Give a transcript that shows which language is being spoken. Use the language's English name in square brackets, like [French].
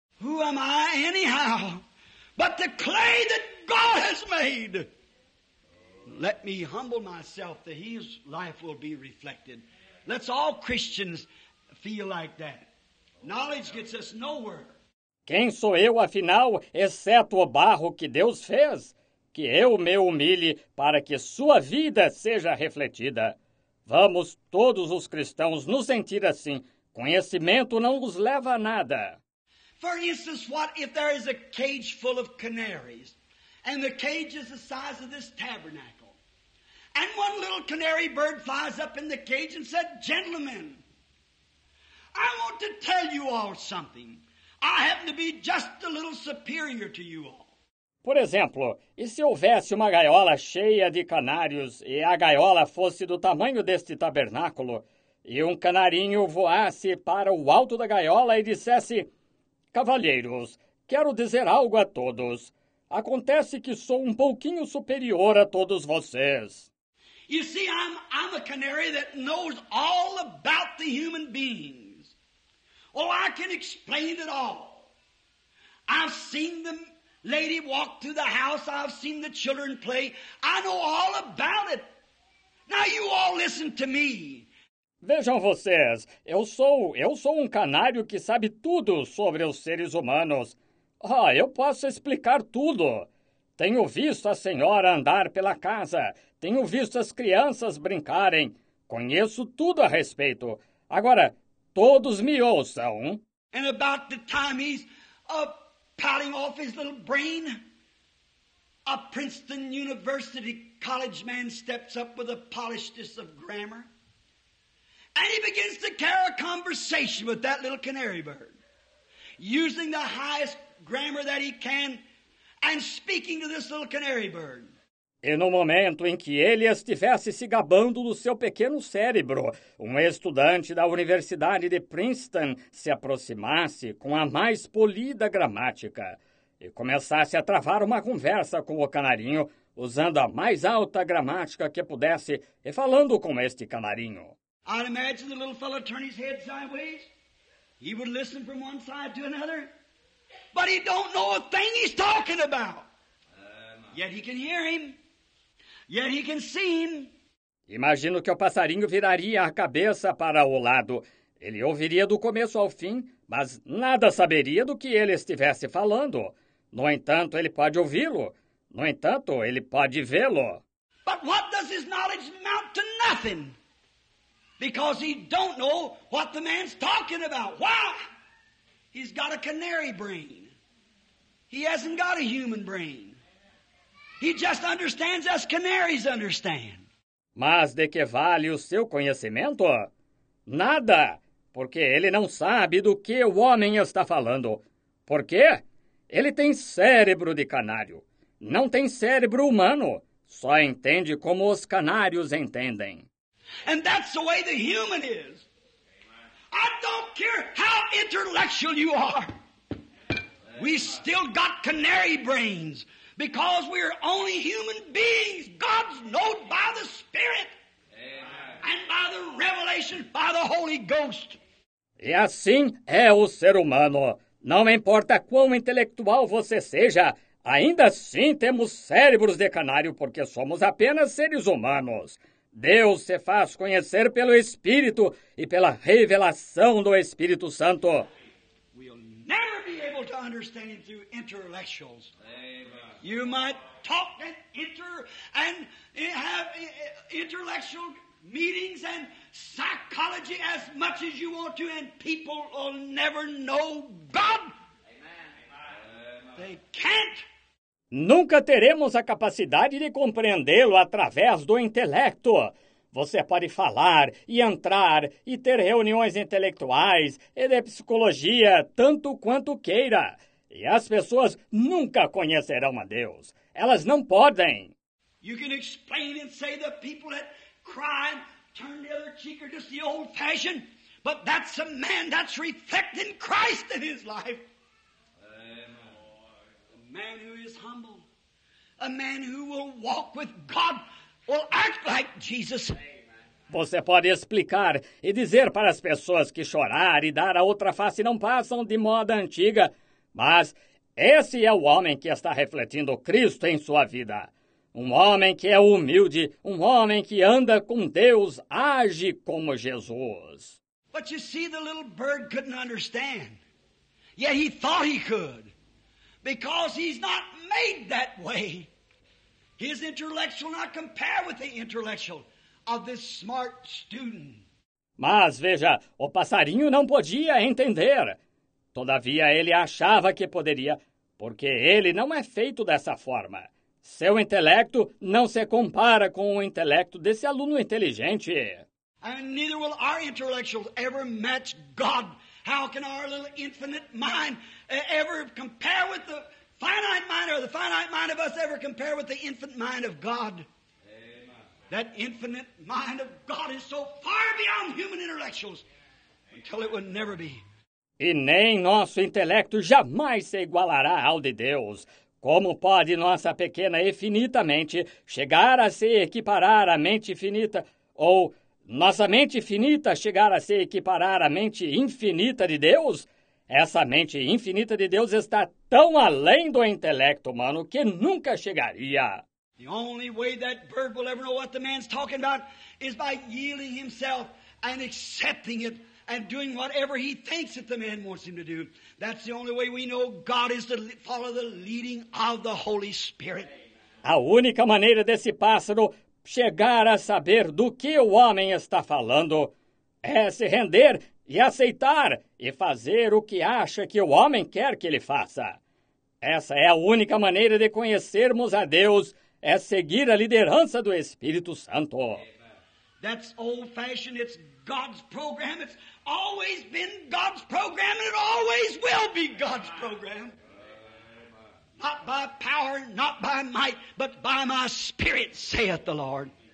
[English] Who am I anyhow, but the clay that God has made? Let me humble myself that his life will be reflected. Let's all Christians feel like that. Knowledge gets us nowhere. [Portuguese] Quem sou eu, afinal, exceto o barro que Deus fez? Que eu me humilhe para que sua vida seja refletida. Vamos todos os cristãos nos sentir assim. Conhecimento não nos leva a nada. [English] For instance, what if there is a cage full of canaries, and the cage is the size of this tabernacle, and one little canary bird flies up in the cage and said, gentlemen, I want to tell you all something. I happen to be just a little superior to you all. [Portuguese] Por exemplo, e se houvesse uma gaiola cheia de canários e a gaiola fosse do tamanho deste tabernáculo e um canarinho voasse para o alto da gaiola e dissesse: cavalheiros, quero dizer algo a todos. Acontece que sou um pouquinho superior a todos vocês. [English] You see, I'm a canary that knows all about the human beings. Oh, I can explain it all. I've seen them. Lady walked through the house, I've seen the children play, I know all about it. Now you all listen to me. [Portuguese] Vejam vocês, eu sou um canário que sabe tudo sobre os seres humanos. Ah, eu posso explicar tudo. Tenho visto a senhora andar pela casa, tenho visto as crianças brincarem, conheço tudo a respeito. Agora, todos me ouçam. [English] And about the time he's pouting off his little brain, a Princeton University college man steps up with a polishedness of grammar, and he begins to carry a conversation with that little canary bird, using the highest grammar that he can, and speaking to this little canary bird. [Portuguese] E no momento em que ele estivesse se gabando do seu pequeno cérebro, um estudante da Universidade de Princeton se aproximasse com a mais polida gramática e começasse a travar uma conversa com o canarinho, usando a mais alta gramática que pudesse e falando com este canarinho. [English] I'd imagine the little fellow turn his head sideways. He would listen from one side to another. But he don't know a thing he's talking about. Yet he can hear him. Yet he can see him. [Portuguese] Imagino que o passarinho viraria a cabeça para o lado. Ele ouviria do começo ao fim, mas nada saberia do que ele estivesse falando. No entanto, ele pode ouvi-lo. No entanto, ele pode vê-lo. [English] But what does his knowledge amount to? Nothing. Because he don't know what the man's talking about. Why? He's got a canary brain. He hasn't got a human brain. He just understands as canaries understand. [Portuguese] Mas de que vale o seu conhecimento? Nada, porque ele não sabe do que o homem está falando. Por quê? Ele tem cérebro de canário. Não tem cérebro humano. Só entende como os canários entendem. [English] And that's the way the human is. I don't care how intellectual you are. We still got canary brains because we are only human beings. God's known by the Spirit. Amen. And by the revelation, by the Holy Ghost. [Portuguese] E assim é o ser humano. Não importa quão intelectual você seja, ainda assim temos cérebros de canário porque somos apenas seres humanos. Deus se faz conhecer pelo Espírito e pela revelação do Espírito Santo. [English] We'll never be able to understand it through intellectuals. Amen. You might talk and enter and have intellectual meetings and psychology as much as you want to, and people will never know God. Amen. They can't. [Portuguese] Nunca teremos a capacidade de compreendê-lo através do intelecto. Você pode falar e entrar e ter reuniões intelectuais e de psicologia tanto quanto queira. E as pessoas nunca conhecerão a Deus. Elas não podem. [English] You can explain and say the people that cry and turn the other cheek are just the old fashioned, but that's a man that's reflecting Christ in his life. A man who is humble, a man who will walk with God, will act like Jesus. [Portuguese] Você pode explicar e dizer para as pessoas que chorar e dar a outra face não passam de moda antiga, mas esse é o homem que está refletindo Cristo em sua vida. Um homem que é humilde, um homem que anda com Deus, age como Jesus. [English] But you see, the little bird couldn't understand, yet he thought he could. Because he's not made that way. His intellect will not compare with the intellectual of this smart student. [Portuguese] Mas veja, o passarinho não podia entender. Todavia, ele achava que poderia, porque ele não é feito dessa forma. Seu intelecto não se compara com o intelecto desse aluno inteligente. [English] And neither will our intellectuals ever match God. How can our little infinite mind ever compare with the finite mind, or the finite mind of us ever compare with the infinite mind of God? Amen. That infinite mind of God is so far beyond human intellectuals until it will never be. [Portuguese] E nem nosso intelecto jamais se igualará ao de Deus. Como pode nossa pequena e finita mente chegar a se equiparar à mente finita, ou nossa mente finita chegar a se equiparar à mente infinita de Deus? Essa mente infinita de Deus está tão além do intelecto humano que nunca chegaria. [English] The only way that bird will ever know what the man's talking about is by yielding himself and accepting it and doing whatever he thinks that the man wants him to do. That's the only way we know God is to follow the leading of the Holy Spirit. [Portuguese] A única maneira desse pássaro chegar a saber do que o homem está falando é se render e aceitar e fazer o que acha que o homem quer que ele faça. Essa é a única maneira de conhecermos a Deus, é seguir a liderança do Espírito Santo. [English] That's old fashioned, it's God's program, it's always been God's program, and it always will be God's program. Not by power, not by might, but by my spirit, saith the Lord.